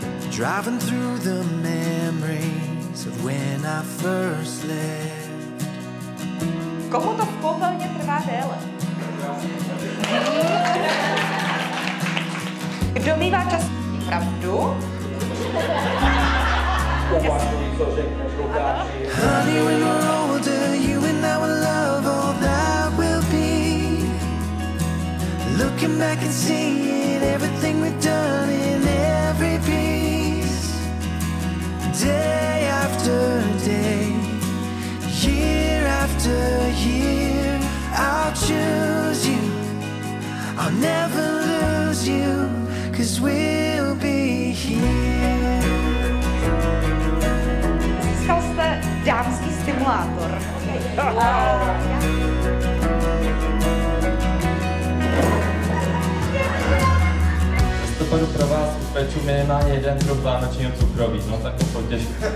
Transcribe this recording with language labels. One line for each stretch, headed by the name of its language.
English: Driving through the memories of when I first left.
Czech: Komu to v pohodlně trvá déle? Kdo mývá čas pravdu?
English: Honey, when we're older, you and I will love all that will be. Looking back and seeing everything we've done in every piece. Day after day, year after year, I'll choose you, I'll never lose you, 'cause we'll be here.
Czech: Získal jste dámský stimulátor. Pojdu pro vás upeču minimálně jeden druh vánočního cukroví, no tak to potěšte.